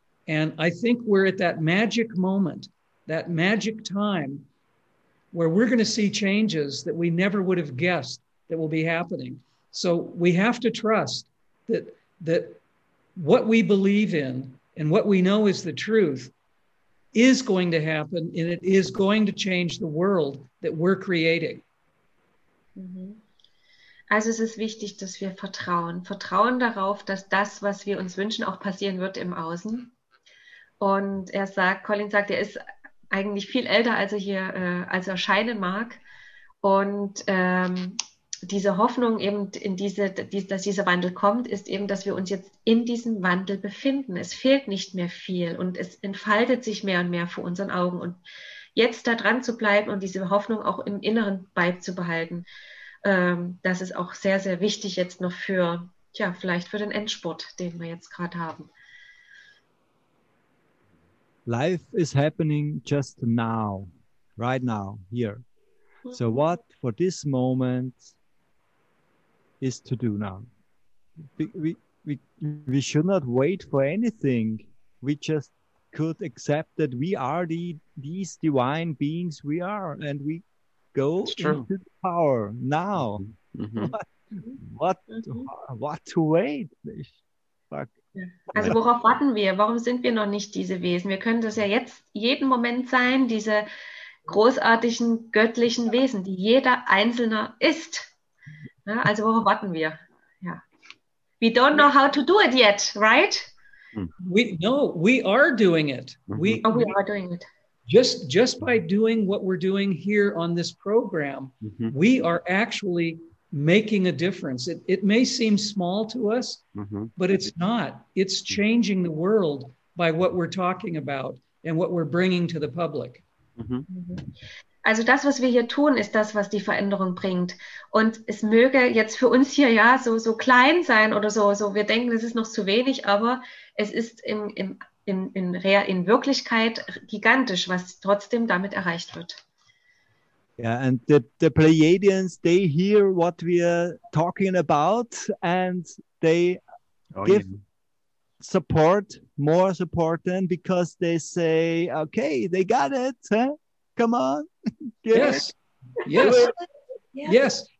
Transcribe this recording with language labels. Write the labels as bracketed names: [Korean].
[English] And I think we're at that magic moment, that magic time, where we're going to see changes that we never would have guessed that will be happening. So we have to trust that what we believe in and what we know is the truth is going to happen, and it is going to change the world that we're creating. [German] Also es ist wichtig, dass wir vertrauen darauf, dass das, was wir uns wünschen, auch passieren wird im Außen. Und er sagt, Colin sagt, er ist eigentlich viel älter, als er hier als er erscheinen mag, und diese Hoffnung eben, in dass dieser Wandel kommt, ist eben, dass wir uns jetzt in diesem Wandel befinden. Es fehlt nicht mehr viel und es entfaltet sich mehr und mehr vor unseren Augen. Und jetzt da dran zu bleiben und diese Hoffnung auch im Inneren beizubehalten, das ist auch sehr, sehr wichtig jetzt noch für, tja, vielleicht für den Endspurt, den wir jetzt gerade haben. [English] Life is happening just now, right now, here. So what for this moment is to do now? We should not wait for anything. We just could accept that we are these divine beings we are, and we go into the power now. Mm-hmm. What to wait? [German] Fuck. Also worauf warten wir? Warum sind wir noch nicht diese Wesen? Wir können das ja jetzt jeden Moment sein, diese großartigen göttlichen Wesen, die jeder Einzelne ist. Ja, also worauf warten wir? Ja. [English] We don't know how to do it yet, right? We are doing it. We are doing it. Just by doing what we're doing here on this program, mm-hmm. we are actually making a difference. It may seem small to us, mm-hmm. but it's not. It's changing the world by what we're talking about and what we're bringing to the public. Mhm. [German] Also das, was wir hier tun, ist das, was die Veränderung bringt. Und es möge jetzt für uns hier ja so klein sein oder so. Wir denken, es ist noch zu wenig, aber es ist in Wirklichkeit gigantisch, was trotzdem damit erreicht wird. [English] Yeah, and the Pleiadians, they hear what we are talking about and they give support. More support then, because they say, okay, they got it. Huh? Come on. Yes. Yes. Yes.